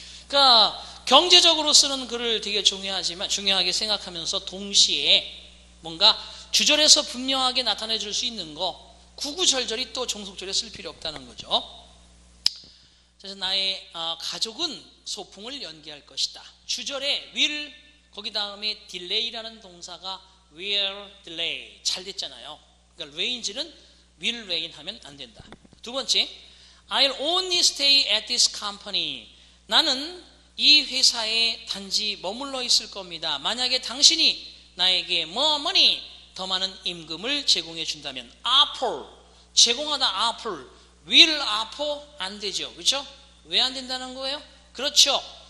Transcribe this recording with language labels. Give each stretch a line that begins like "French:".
Korean: 그러니까 경제적으로 쓰는 글을 되게 중요하게 생각하면서 동시에 뭔가 주절에서 분명하게 나타내 줄 수 있는 거, 구구절절이 또 종속절에 쓸 필요 없다는 거죠. 그래서 나의 가족은 소풍을 연기할 것이다. 주절에 will, 거기 다음에 delay라는 동사가 will delay. 잘 됐잖아요. 그러니까 range는 will rain 하면 안 된다. 두 번째,
English: I'll only stay at this company.
Korean: 나는 이 회사에 단지 머물러 있을 겁니다. 만약에 당신이 나에게 more money, 더 많은 임금을 제공해 준다면, offer, 제공하다 offer, will offer, 안 되죠. 그렇죠? 왜 안 된다는 거예요? 그렇죠.